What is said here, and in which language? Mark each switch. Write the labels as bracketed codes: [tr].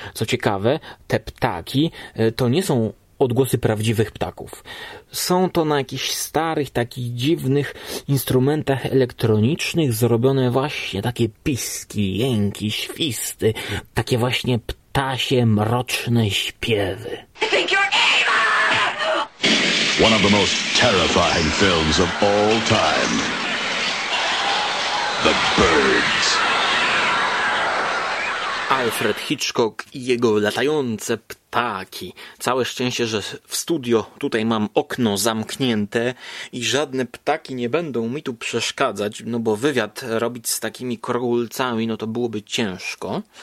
[pl] Co ciekawe, te ptaki to nie są odgłosy prawdziwych ptaków. Są to na jakichś starych, takich dziwnych instrumentach elektronicznych zrobione właśnie takie piski, jęki, świsty, takie właśnie ptasie mroczne śpiewy. [en] One of the most terrifying films of all time. The Birds. [pl] Alfred Hitchcock i jego latające ptaki. Całe szczęście, że w studio tutaj mam okno zamknięte i żadne ptaki nie będą mi tu przeszkadzać, no bo wywiad robić z takimi krogulcami, no to byłoby ciężko.